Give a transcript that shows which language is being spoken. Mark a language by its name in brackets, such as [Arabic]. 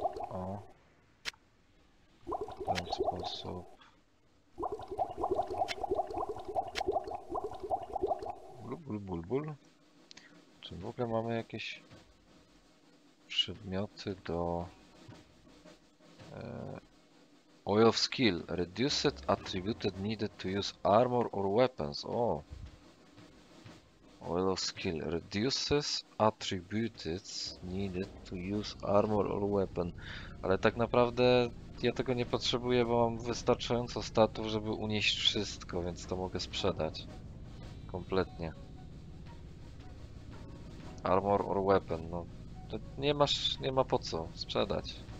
[Polish] O. W ten sposób. Bulbul. Czy w ogóle mamy jakieś przedmioty do Oil of Skill? [English] Reduced attributed needed to use armor or weapons. O! Oil of Skill. Reduces attributed needed to use armor or weapon. [Polish] Ale tak naprawdę ja tego nie potrzebuję, bo mam wystarczająco statów, żeby unieść wszystko, więc to mogę sprzedać. Kompletnie. [English] Armor or weapon, [Polish] no. Nie ma po co sprzedać.